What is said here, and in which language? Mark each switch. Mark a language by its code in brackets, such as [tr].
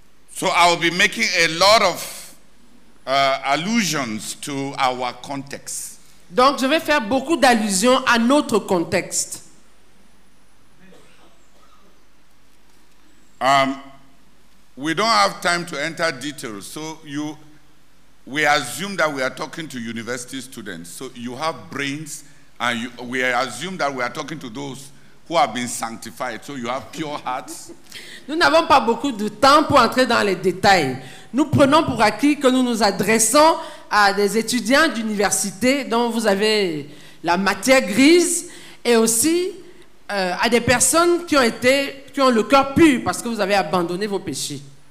[en] So I will be making a lot of allusions to our context. [fr] Donc je vais faire beaucoup d'allusions à notre contexte. [en] We don't have time to enter details, so we assume that we are talking to university students. So you have brains, and we assume that we are talking to those who have been sanctified, so you have pure hearts. [fr] Nous n'avons pas beaucoup de temps pour entrer dans les détails. Nous prenons pour acquis que nous nous adressons à des étudiants d'université dont vous avez la matière grise et aussi à des personnes qui ont le cœur pur parce que vous avez abandonné vos péchés.